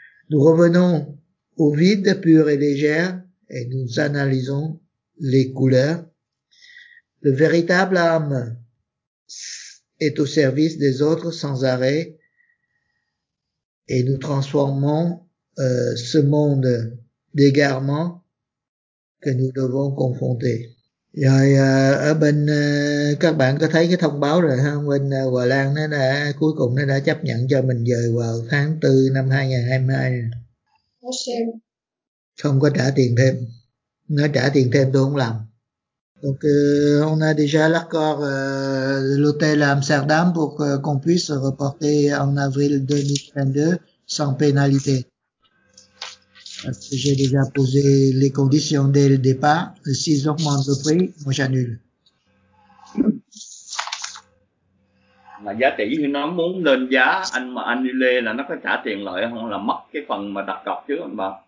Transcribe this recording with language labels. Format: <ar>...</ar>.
<fr>Nous revenons au vide pur et léger et nous analysons les couleurs. Le véritable âme est au service des autres sans arrêt. Et nous transformons ce monde d'égarement que nous devons confronter.</fr> <vi>Rồi ở bên các bạn có thấy cái thông báo rồi ha, bên Hòa Lan nó đã cuối cùng nó đã chấp nhận cho mình dời vào tháng 4 năm 2022. Không có trả tiền thêm. Nó trả tiền thêm tôi không làm.</vi> <fr>Donc on a déjà l'accord de l'hôtel Amsterdam pour qu'on puisse se reporter en avril 2022 sans pénalité. Parce que j'ai déjà posé les conditions dès le départ. S'ils augmentent le prix, moi j'annule.</fr> <vi>Là giá tỷ như nó muốn lên giá, anh mà anh đi lê là nó có trả tiền lợi không, là mất cái phần mà đặt cọc chứ anh bà?</vi>